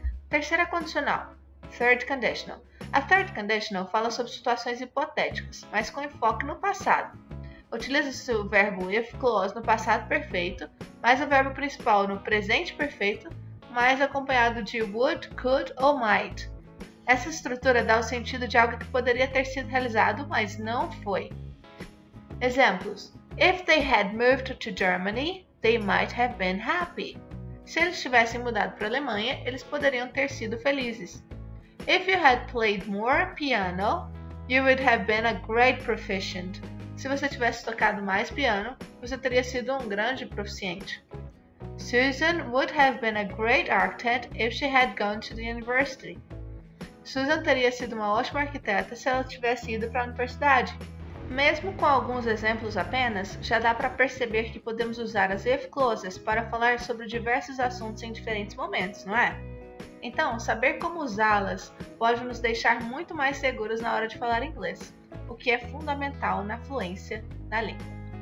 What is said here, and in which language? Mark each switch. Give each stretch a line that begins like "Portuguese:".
Portuguese: Terceira condicional, third conditional. A third conditional fala sobre situações hipotéticas, mas com enfoque no passado. Utiliza-se o verbo if clause no passado perfeito, mais o verbo principal no presente perfeito, mais acompanhado de would, could ou might. Essa estrutura dá o sentido de algo que poderia ter sido realizado, mas não foi. Exemplos.
English: If they had moved to Germany, they might have been happy.
Portuguese: Se eles tivessem mudado para a Alemanha, eles poderiam ter sido felizes.
English: If you had played more piano, you would have been a great proficient.
Portuguese: Se você tivesse tocado mais piano, você teria sido um grande proficiente.
English: Susan would have been a great architect if she had gone to the university.
Portuguese: Susan teria sido uma ótima arquiteta se ela tivesse ido para a universidade. Mesmo com alguns exemplos apenas, já dá para perceber que podemos usar as if clauses para falar sobre diversos assuntos em diferentes momentos, não é? Então, saber como usá-las pode nos deixar muito mais seguros na hora de falar inglês, o que é fundamental na fluência da língua.